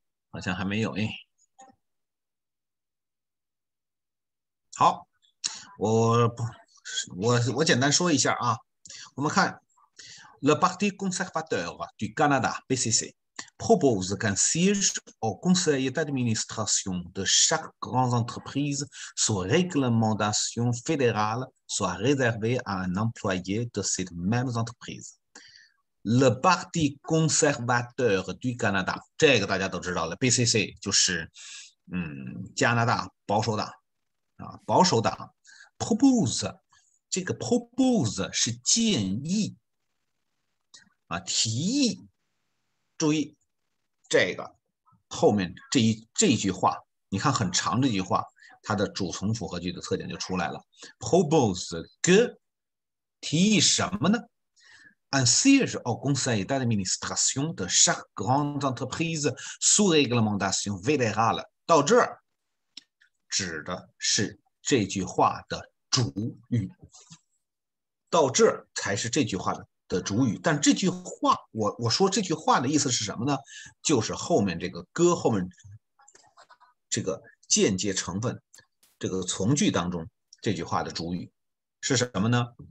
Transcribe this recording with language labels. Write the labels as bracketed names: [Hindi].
[Chinese] 好像还没有哎，好，我简单说一下啊，我们看， [French] Le Parti conservateur du Canada (PCC) propose qu'un siège au conseil d'administration de chaque grande entreprise sous réglementation fédérale soit réservé à un employé de cette même entreprise. [Chinese] Le Parti conservateur du Canada，这个大家都知道了，PCC 就是，加拿大保守党啊，保守党。 Propose 这个 propose 是建议啊，提议。注意这个后面这一句话，你看很长这句话，它的主从复合句的特点就出来了。 [French] Propose [Chinese] 个提议什么呢 [French] ？Un siège au conseil d'administration de chaque grande entreprise sous réglementation fédérale。 [Chinese] 到这儿，指的是这句话的主语。到这儿才是这句话的主语，但这句话我说这句话的意思是什么呢？就是后面这个歌后面这个间接成分，这个从句当中这句话的主语是什么呢？